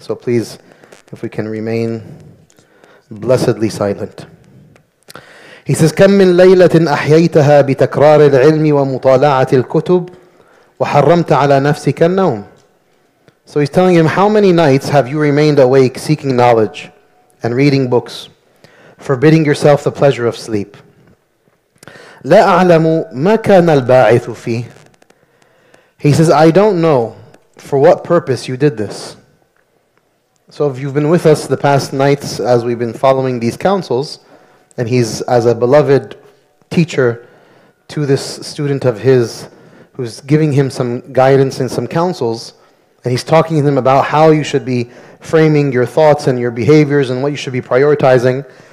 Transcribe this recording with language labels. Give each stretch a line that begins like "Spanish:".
English: So please, if we can remain blessedly silent. He says,
Arabic: كم من ليلة أحييتها بتكرار العلم ومطالعة الكتب وحرمت على نفسك النوم.
English: So he's telling him, how many nights have you remained awake seeking knowledge and reading books, forbidding yourself the pleasure of sleep?
Arabic: لا أعلم ما كان الباعث فيه.
English: He says, I don't know for what purpose you did this. So if you've been with us the past nights as we've been following these counsels, and he's as a beloved teacher to this student of his who's giving him some guidance and some counsels, and he's talking to him about how you should be framing your thoughts and your behaviors and what you should be prioritizing.